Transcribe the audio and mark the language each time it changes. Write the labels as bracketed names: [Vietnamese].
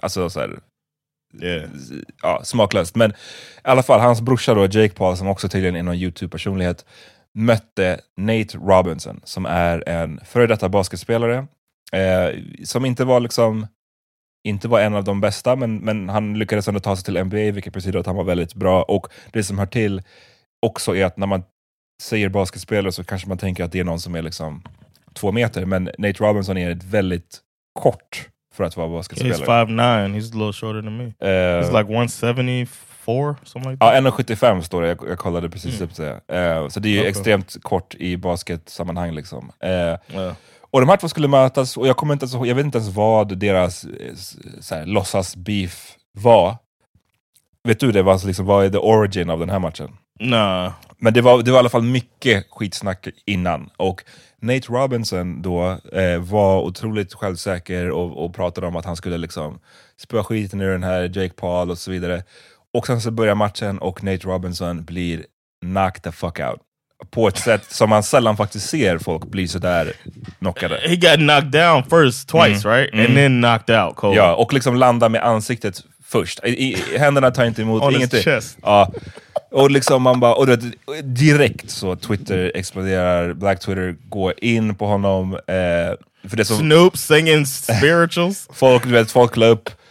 [Swedish] Alltså såhär, ja, smaklöst. Men i alla fall, hans brorsa då, Jake Paul, som också tydligen är någon YouTube-personlighet, mötte Nate Robinson, som är en före detta basketspelare, som inte var liksom, inte var en av de bästa, men han lyckades ändå ta sig till NBA, vilket betyder att han var väldigt bra. Och det som hör till också är att när man säger basketspelare så kanske man tänker att det är någon som är liksom 2 meter. Men Nate Robinson är väldigt kort för att vara basketspelare. [English] He's 5'9", he's a little shorter than me. He's like 174, something like that. [Swedish] Ja, 1,75 står det, jag kollade precis upp det. Så det är ju extremt kort i basketsammanhang liksom. Och de här två skulle mötas, och jag kommer inte ens, jag vet inte ens vad deras så här låtsas beef var. Vet du det, var liksom, vad är [English] the origin [Swedish] av den här matchen? Nej. [English] Nah. [Swedish] Men det var i alla fall mycket skitsnack innan, och Nate Robinson då var otroligt självsäker och pratade om att han skulle liksom spöa skiten ur den här Jake Paul och så vidare. Och sen så börjar matchen och Nate Robinson blir [English] knocked the fuck out. [Swedish] På ett sätt som man sällan faktiskt ser folk bli så där knockade. [English] He got knocked down first, twice, right? And then knocked out, cold. [Swedish] Ja, och liksom landa med ansiktet först. Händerna tar inte emot. [English] On [Swedish] ingenting. [English] His chest. [Swedish] Ja. Och liksom man bara, och direkt så Twitter exploderar. Black Twitter går in på honom. För det som, [English] Snoop singing spirituals. [Swedish] Folk la upp.